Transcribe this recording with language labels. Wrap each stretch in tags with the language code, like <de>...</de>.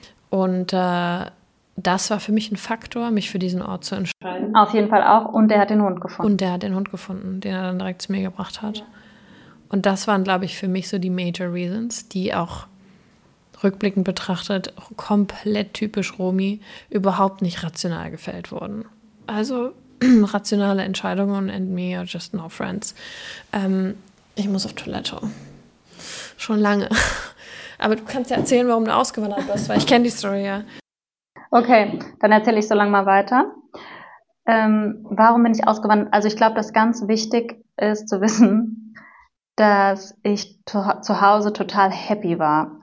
<de>Und das war für mich ein Faktor, mich für diesen Ort zu entscheiden. Auf jeden Fall auch. Und der hat den Hund gefunden. Und der hat den Hund gefunden, den er dann direkt zu mir gebracht hat. Und das waren, glaube ich, für mich so die Major Reasons, die auch rückblickend betrachtet komplett typisch Romy überhaupt nicht rational gefällt wurden. Also rationale Entscheidungen</de> <en>and me are just no friends.</en> <de>Ich muss auf Toilette. Schon lange. Aber du kannst ja erzählen, warum du ausgewandert bist, weil ich kenne die Story ja. Okay, dann erzähle ich so lange mal weiter. Warum bin ich ausgewandert? Also ich glaube, dass ganz wichtig ist zu wissen, dass ich zu Hause total happy war.</de>